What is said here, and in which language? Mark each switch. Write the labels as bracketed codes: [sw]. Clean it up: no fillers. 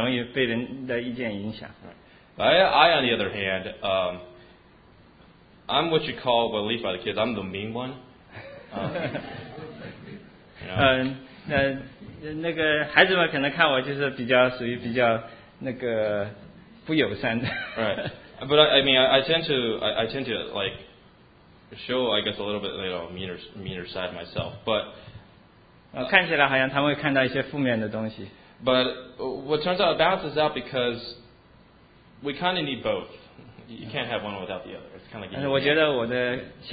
[zh] 那个伊特他是很友善，他人很善良的，但是他也很容易被人的意见影响。I [en] on the other hand, I'm what you call, well, at least by the kids, I'm the mean one. [zh] 那个孩子们可能看我就是比较属于比较那个不友善的。 [en] Right, but I tend to like show, I guess, a little bit, you know, meaner side myself, but. [zh] 看起来好像他们会看到一些负面的东西。 [en] But what turns out balances out because we kind of need both. You can't have one without the other. It's kind of like.